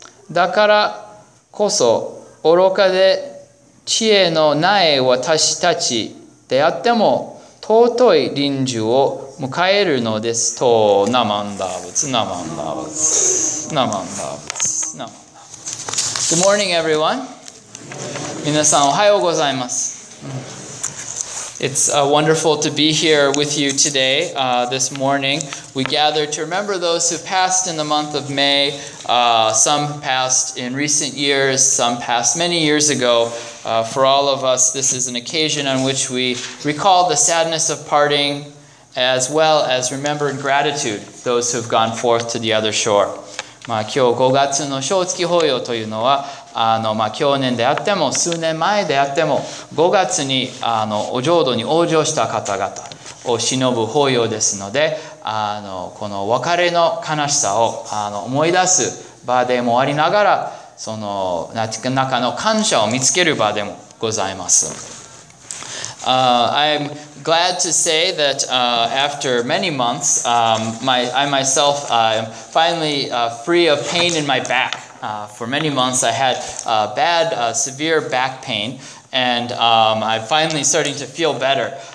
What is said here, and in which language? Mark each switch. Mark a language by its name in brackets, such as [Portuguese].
[Japanese] だからこそ愚かで知恵のない私たちであっても尊い臨終を迎えるのですとナマンダーブツナマンダーブツナマンダーブツナマンダーブツ [English] Good morning everyone. [Japanese] 皆さんおはようございます。 [English] It's wonderful to be here with you today, this morning. We gather to remember those who passed in the month of May. Some passed in recent years, some passed many years ago. For all of us, this is an occasion on which we recall the sadness of parting, as well as remember in gratitude those who have gone forth to the other shore. [Japanese] まあ、今日5月の正月法要というのは、去年であっても数年前であっても5月にお浄土に往生した方々を偲ぶ法要ですのでこの別れの悲しさを思い出す場でもありながらその中の感謝を見つける場でもございます。 [English] I'm glad to say that after many months, I myself am finally free of pain in my back. For many months, I had severe back pain, and I'm finally starting to feel better.